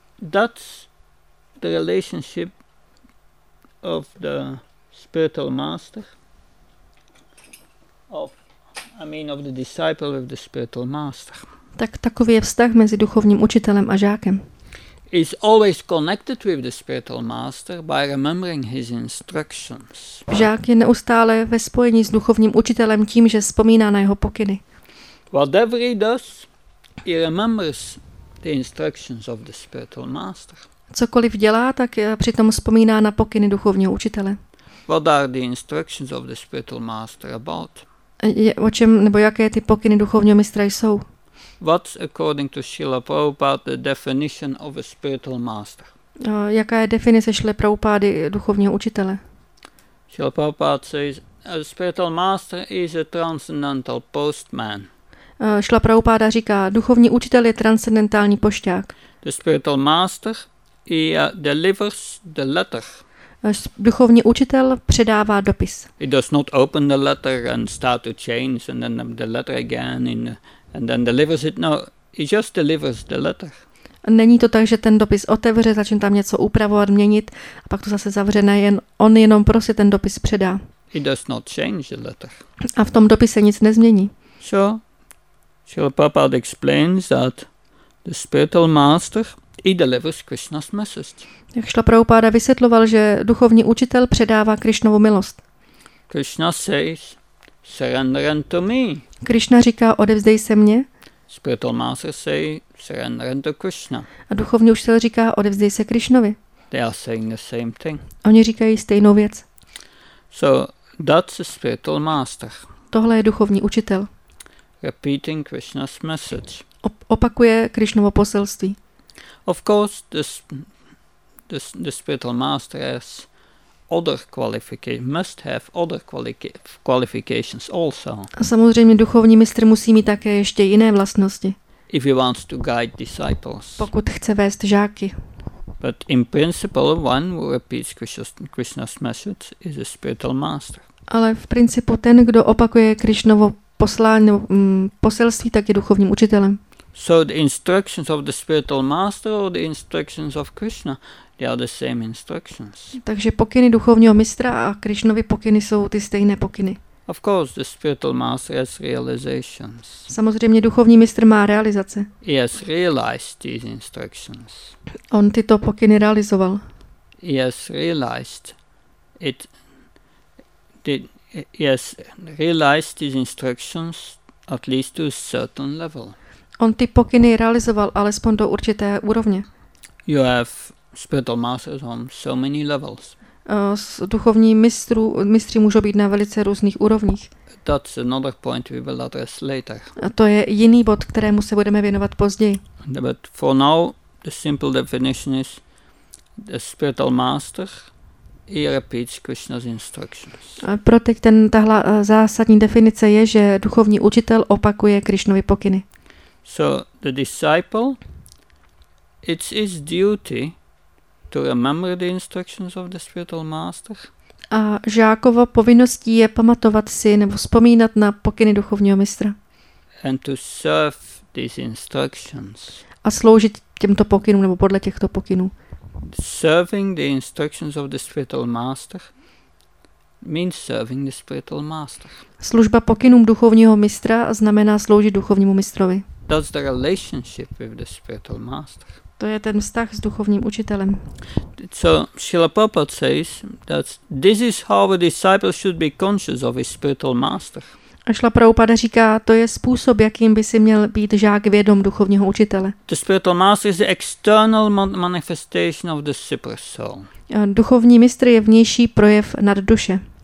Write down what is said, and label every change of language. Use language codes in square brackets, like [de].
[en] That's the relationship of the spiritual master, of the disciple with the spiritual master. [cs] Tak takový je vztah mezi duchovním učitelem a žákem. [en] Is always connected with the spiritual master by remembering his instructions. [cs] Žák je neustále ve spojení s duchovním učitelem tím, že vzpomíná na jeho pokyny. [en] Whatever he does, he remembers the instructions of the spiritual master. [cs] Cokoliv dělá, tak přitom vzpomíná na pokyny duchovního učitele. [en] What are the instructions of the spiritual master about? [cs] O čem, nebo jaké ty pokyny duchovního mistra jsou? [en] What's according to Srila Prabhupada the definition of a spiritual master? [cs] Jaká je definice Srila Prabhupády duchovního učitele? [en] Srila Prabhupada says a spiritual master is a transcendental postman. [cs] Srila Prabhupáda říká, duchovní učitel je transcendentální pošťák. [en] The spiritual master delivers the letter. [cs] Duchovní učitel předává dopis. [en] He does not open the letter and start to change and then the letter again in and then delivers it. No, he just delivers the letter. [cs] Není to tak, že ten dopis otevře, začne tam něco upravovat, měnit a pak to zase zavře, ne, jen on jenom prostě ten dopis předá. [en] He does not change the letter. [cs] A v tom dopise nic nezmění. [en] So, Srila Prabhupada explains that the spiritual master he delivers Krishna's message. [cs] Jak Srila Prabhupada vysvětloval, že duchovní učitel předává Krišnovu milost. [en] Krishna says, surrender unto me. [cs] Krishna říká, odevzdej se mně. [en] Spiritual master say, surrender unto Krishna. [cs] A duchovní učitel říká, odevzdej se Krišnovi. [en] They are saying the same thing. [cs] Oni říkají stejnou věc. [en] So, that's a spiritual master. [cs] Tohle je duchovní učitel. [en] Repeating Krishna's message. [cs] Opakuje Krišnovo poselství. [en] Of course, the spiritual master has other qualifications, must have other qualifications also. [cs] A samozřejmě duchovní mistr musí mít také ještě jiné vlastnosti. [en] If he wants to guide disciples. [cs] Pokud chce vést žáky. [en] But in principle, one who repeats Krishna's message is a spiritual master. [cs] Ale v principu ten, kdo opakuje Krišnovo poslání, poselství, tak je duchovním učitelem. [en] So the instructions of the spiritual master or the instructions of Krishna, they are the same instructions. [cs] Takže pokyny duchovního mistra a Krišnovy pokyny jsou ty stejné pokyny. [en] Of course, the spiritual master has realizations. [cs] Samozřejmě duchovní mistr má realizace. [en] He has realized these instructions. [cs] On tyto pokyny realizoval. [en] He has realized it. He has realized these instructions at least to a certain level. [cs] On ty pokyny realizoval alespoň do určité úrovně. [en] You have spiritual masters on so many levels. [cs] Duchovní mistři můžou být na velice různých úrovních. [en] That's another point we will address later. [cs] A to je jiný bod, kterému se budeme věnovat později. [en] But for now, the simple definition is the spiritual master, he repeats Krishna's instructions. [cs] Pro teď tahle zásadní definice je, že duchovní učitel opakuje Krišnovy pokyny. [en] So the disciple, it's his duty to remember the instructions of the spiritual master. [cs] A žákovo povinností je pamatovat si nebo vzpomínat na pokyny duchovního mistra. [en] And to serve these instructions. [cs] A sloužit těmto pokynům nebo podle těchto pokynů. [en] Serving the instructions of the spiritual master means serving the spiritual master. [cs] Služba pokynům duchovního mistra znamená sloužit duchovnímu mistrovi. [en] That's the relationship with the spiritual master. [cs] To je ten vztah s duchovním učitelem. [en] So Srila Prabhupada says that this is how a disciple should be conscious of his spiritual master. [cs] A Srila Prabhupada říká, to je způsob, jakým by si měl být žák vědom duchovního učitele. [en] The spiritual master is the external manifestation of the supersoul. [cs] Duchovní mistr je vnější projev nad duše.